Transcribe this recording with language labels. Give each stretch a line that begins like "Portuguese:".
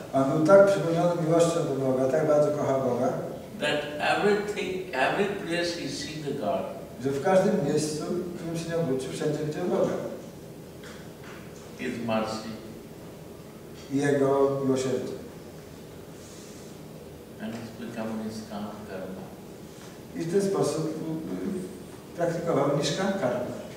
Polish: On był tak przypełniony miłością do Boga, tak bardzo kochał Boga.
English: That everything, every place he sees the God.
Polish: Że w każdym miejscu, w którym się nie obrócił, wszędzie widział Boga.
English: His mercy.
Polish: Jego miłosierdzie.
English: And it's becoming his karma.
Polish: I w ten sposób praktykował niszkan karma.